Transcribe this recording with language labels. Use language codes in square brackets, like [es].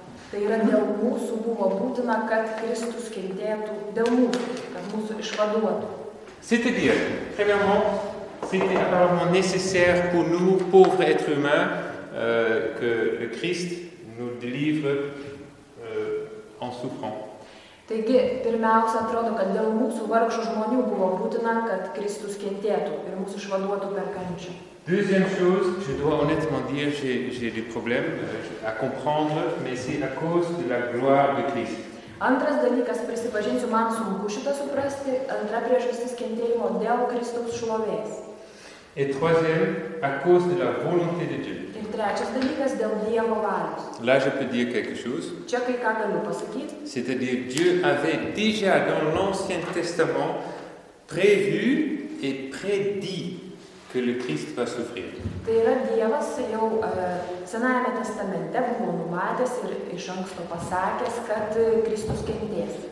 [lt] Tai yra dėl mūsų buvo būtina, kad Kristus kentėtų dėl mūsų, kad mūsų išvaduotų. [fr] C'est-à-dire, premièrement, C'était apparemment nécessaire pour nous, pauvres êtres humains, que le Christ nous délivre en souffrant. [lt] Taigi, pirmiausia, atrodo, kad dėl mūsų vargšų žmonių buvo būtina, kad Kristus kentėtų ir mūsų išvaduotų per kančią. [fr] Deuxième chose, je dois honnêtement dire, j'ai des problèmes à comprendre, mais c'est à cause de la gloire de Christ. [lt] Antras dalykas, prisipažinsiu, man sunku šitą suprasti, antra priežastis kentėjimo dėl Kristaus šlovės. [fr] Et troisième, à cause de la volonté de Dieu. [lt] Ir trečias dalykas, dėl Dievo valios. [fr] Là, je peux dire quelque chose. [lt] Čia kai ką galiu pasakyti. [fr] C'est-à-dire, Dieu avait déjà dans l'Ancien Testament prévu et prédit que le Christ va souffrir. [lt] Tai yra Dievas jau Senajame Testamente buvo numatęs ir iš anksto pasakęs, kad Kristus kentės.